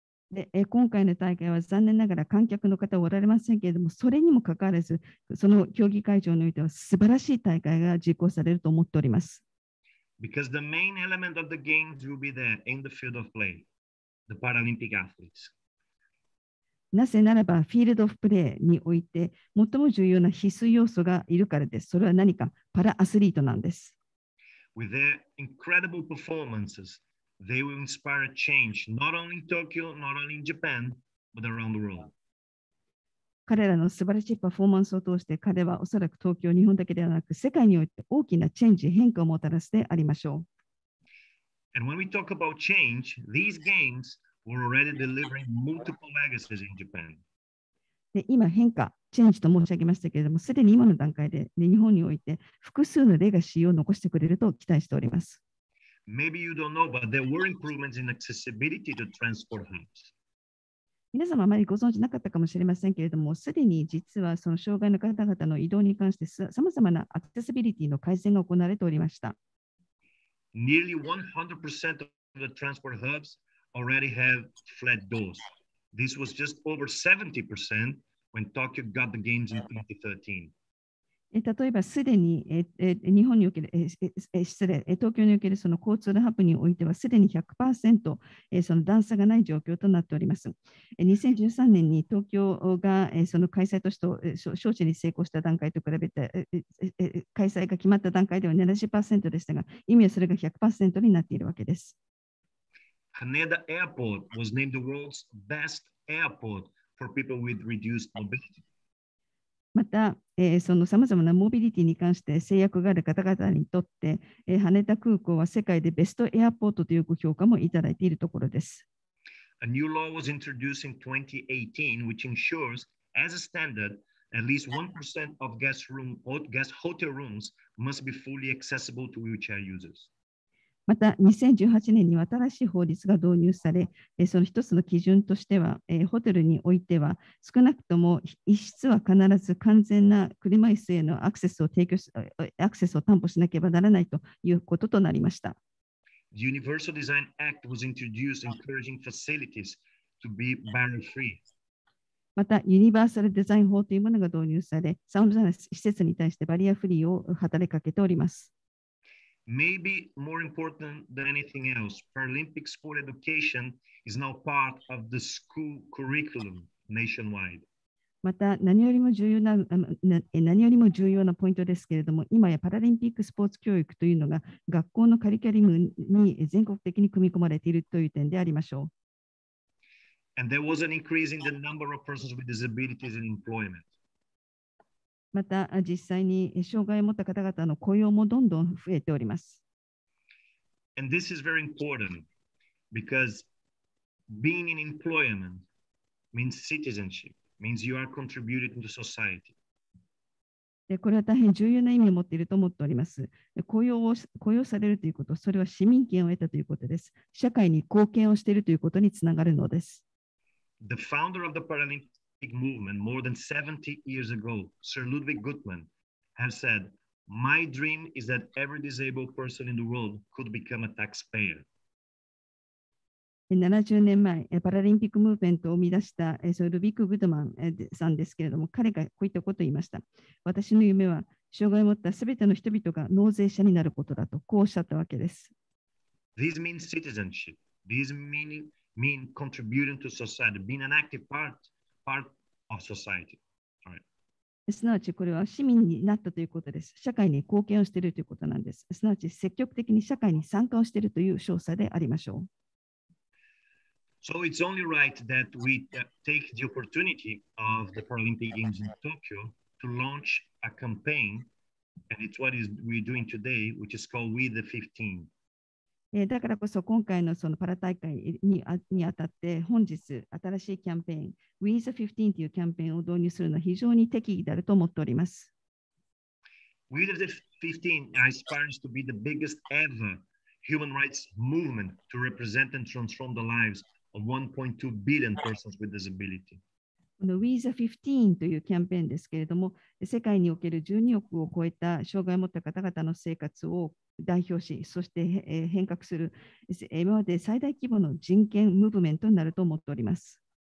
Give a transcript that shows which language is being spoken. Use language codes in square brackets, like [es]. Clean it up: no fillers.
[ja] で、今回の大会は残念ながら観客の方はおられませんけれども、それにもかかわらず、その競技会場においては素晴らしい大会が実行されると思っております。 [en] Because the main element of the games will be there in the field of play, the Paralympic athletes. [ja] なぜならばフィールドオフプレーにおいて最も重要な必須要素がいるからです。それは何か、パラアスリートなんです。 [en] With their incredible performances, they will inspire a change not only in Tokyo, not only in Japan, but around the world. [ja] 彼らの素晴らしいパフォーマンスを通して彼はおそらく東京、日本だけではなく世界において大きなチェンジ、変化をもたらすでありましょう。 [en] And when we talk about change, these games,We're already delivering multiple legacies in Japan. [ja] で今変化、チェンジと申し上げましたけれども、すでに今の段階で、ね、日本において複数のレガシーを残してくれると期待しております。 [en] Maybe you don't know, but there were improvements in accessibility to transport hubs. [ja] 皆様あまりご存知なかったかもしれませんけれども、すでに実はその障害の方々の移動に関してさまざまなアクセシビリティの改善が行われておりました。 [en] Nearly 100% of the transport hubs. Already have flat doors. This was just over 70% when Tokyo got the games in 2013. [ja] 例えばすでに日本における失礼、東京におけるその交通のハブにおいてはすでに 100% その段差がない状況となっております。 2013年に東京がその開催都市と招致に成功した段階と比べて開催が決まった段階では 70% でしたが、今はそれが 100% になっているわけです。 [en] Haneda Airport was named the world's best airport for people with reduced mobility. [ja] また、そのさまざまなモビリティに関して制約がある方々にとって、羽田空港は世界でベストエアポートというご評価もいただいているところです。 [en] A new law was introduced in 2018, which ensures, as a standard, at least 1% of guest hotel rooms must be fully accessible to wheelchair users. [ja] また2018年には新しい法律が導入され、その一つの基準としては、ホテルにおいては少なくとも一室は必ず完全な車椅子へのアクセスを担保しなければならないということとなりました。 [en] The Universal Design Act was introduced, encouraging facilities to be barrier-free. [ja] また、ユニバーサルデザイン法というものが導入され、さまざまな施設に対してバリアフリーを働きかけております。 [en] Maybe more important than anything else, Paralympic sport education is now part of the school curriculum nationwide. [ja] また何よりも重要なポイントですけれども、今やパラリンピックスポーツ教育というのが学校のカリキュラムに全国的に組み込まれているという点でありましょう。 [en] And there was an increase in the number of persons with disabilities in employment. [ja] また実際に障害を持った方々の雇用もどんどん増えております。 [en] And this is very important because being in employment means citizenship, means you are contributing to society. [ja] これは大変重要な意味を持っていると思っております。雇用されるということ、それは市民権を得たということです。社会に貢献をしているということにつながるのです。 [en] The founder of the Paralympic. Movement more than 70 years ago, Sir Ludwig Gutmann has said, My dream is that every disabled person in the world could become a taxpayer. [ja] 70年前、パラリンピックムーブメントを生み出したルビック・グッドマンさんですけれども、彼がこういったことを言いました。私の夢は、障害を持ったすべての人々が納税者になることだと、こうおっしゃったわけです。 [en] This means citizenship. This means contributing to society, being an active part of society. [ja] すなわちこれは市民になったということです。社会に貢献をしているということなんです。すなわち積極的に社会に参加をしているという証左でありましょう。 [en] So it's only right that we take the opportunity of the Paralympic Games in Tokyo to launch a campaign, and it's what we're doing today, which is called We the 15. [ja] だからこそ今回 そのパラ大会 にあたって本日新しいキャンペーン We the 15というキャンペーンを導入するのは非常に適宜であると思っております。 [en] We the 15 aspires to be the biggest ever human rights movement to represent and transform the lives of 1.2 billion persons with disability. [ja] この WISA15 というキャンペーンですけれども、世界における12億を超えた障害を持った方々の生活を代表し、そして変革する、今まで最大規模の人権ムーブメントになると思っております。